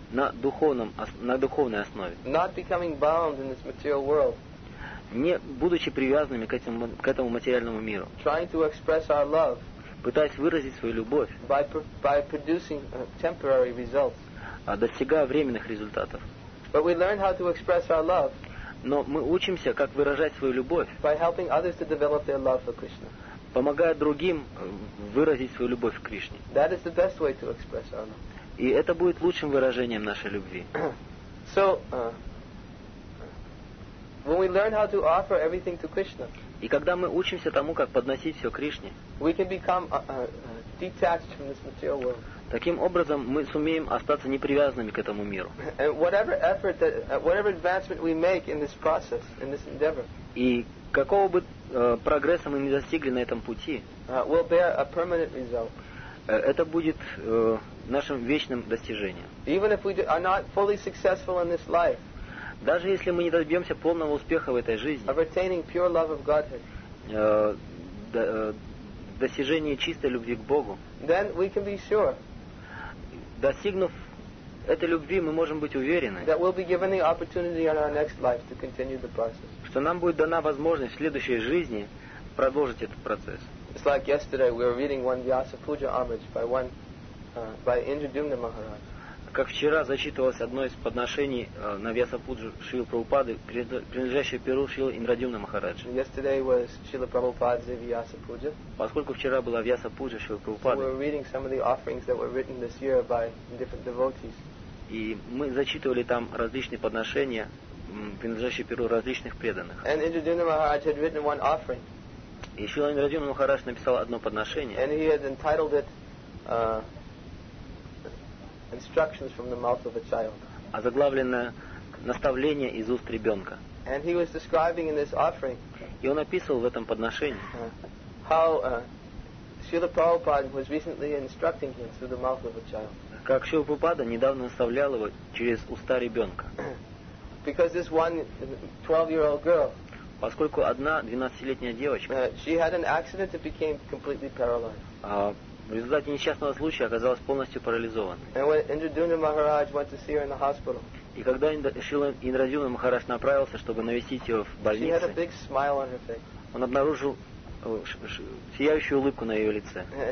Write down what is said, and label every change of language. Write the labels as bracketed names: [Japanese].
[Russian] На духовной основе. [English] Not becoming bound in this material world. [Russian] Не будучи привязанными к этому материальному миру. [English] Trying to express our love. [Russian] Пытаясь выразить свою любовь. [English] By producing temporary results. [Russian] Достигая временных результатов. [English] But we learn how to express our love. [Russian] Но мы учимся, как выражать свою любовь. [English] By helping others to develop their love for Krishna. [Russian] Помогая другим выразить свою любовь к Кришне. [English] That is the best way to express our love. [Russian] И это будет лучшим выражением нашей любви. [English] So, when we learn how to offer everything to Krishna, [Russian] и когда мы учимся тому, как подносить все Кришне, [English] we can become detached from this material world. [Russian] Таким образом, мы сумеем остаться непривязанными к этому миру. [English] And whatever effort that, whatever advancement we make in this process, in this endeavor, [Russian] и какого бы прогресса мы не достигли на этом пути, [English] will bear a permanent result. [Russian] Это будет нашим вечным достижением. [English] Even if we are not fully successful in this life, [Russian] даже если мы не добьемся полного успеха в этой жизни, [English] of retaining pure love of Godhead, [Russian] достижение чистой любви к Богу, [English] then we can be sure, [Russian] достигнув этой любви, мы можем быть уверены, [English] that we'll be given the opportunity in our next life to continue the process, [Russian] что нам будет дана возможность в следующей жизни продолжить этот процесс. [English] It's like yesterday we were reading one Vyasa Puja homage by one by Indradyumna Maharaj. [Russian] Как вчера зачитывалось одно из подношений на Вьяса Пуджу Шрилы Прабхупады, принадлежащее перу Шрилы Индрадюмна Махараджа. [English] Yesterday was Shrila Prabhupada's Vyasa Puja. [Russian] Поскольку вчера была Вьяса Пуджа Шрилы Прабхупады. [English] We were reading some of the offerings that were written this year by different devotees. [Russian] И мы зачитывали там различные подношения, принадлежащие перу различных преданных. [English] And Indradyumna Maharaj had written one offering. [Russian] И Шрила Индрадюмна Махарадж написал одно подношение. [English] And he had entitled it instructions from the mouth of a child. [Russian] Озаглавленное наставление из уст ребенка. [English] And he was describing in this offering. [Russian] И он описывал в этом подношении. [English] How Srila Prabhupada was recently instructing him through the mouth of a child. [Russian] Как Шрила Прабхупада недавно наставлял его через уста ребенка. [English] Because this one 12-year-old girl. [Russian] Поскольку одна 12-летняя девочка. [English] She had an accident and became completely paralyzed. [Russian] В результате несчастного случая оказалась полностью парализованной. И когда Шрила Индрадюмна Махарадж направился, чтобы навестить ее в больнице, он обнаружил сияющую улыбку на ее лице.